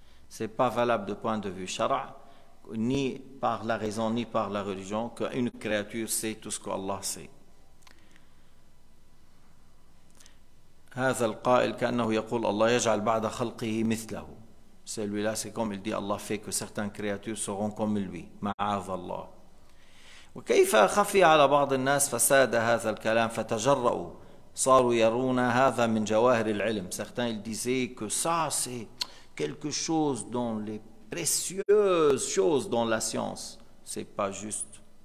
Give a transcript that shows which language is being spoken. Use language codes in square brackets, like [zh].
[fr] C'est pas valable de point de vue شرع. Ni par la raison ni par la religion qu'une créature sait tout ce que Allah sait. [ar] هذا القائل كأنه يقول الله يجعل بعض خلقه مثله. [fr] Celui-là c'est comme il dit Allah fait que certaines créatures seront comme lui. [ar] معاذ الله. وكيف خفي على بعض الناس فساد هذا الكلام فتجرؤوا صاروا يرون هذا من جواهر العلم. [fr] Certains ils disaient que ça c'est quelque chose dans les précieuses choses dans la science. C'est pas juste.